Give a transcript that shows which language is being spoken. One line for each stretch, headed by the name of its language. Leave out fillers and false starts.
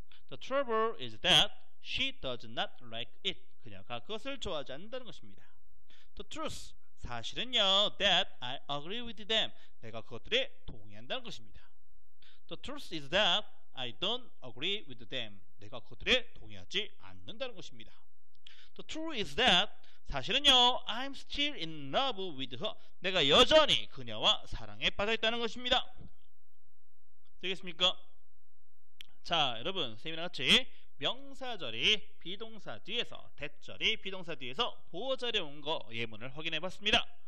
English: The trouble is that she does not like it.
Korean: 그녀가 그것을 좋아하지 않는다는 것입니다.
English: The truth.
Korean: 사실은요.
English: That I agree with them.
Korean: 내가 그것들에 동의한다는 것입니다.
English: The truth is that I don't agree with them.
Korean: 내가 그것들에 동의하지 않는다는 것입니다.
English: The truth is that
Korean: 사실은요.
English: I'm still in love with her.
Korean: 내가 여전히 그녀와 사랑에 빠져있다는 것입니다. 되겠습니까? 자, 여러분, 세미나 같이 명사절이 비동사 뒤에서, 대절이 비동사 뒤에서 보어절에 온 거 예문을 확인해봤습니다.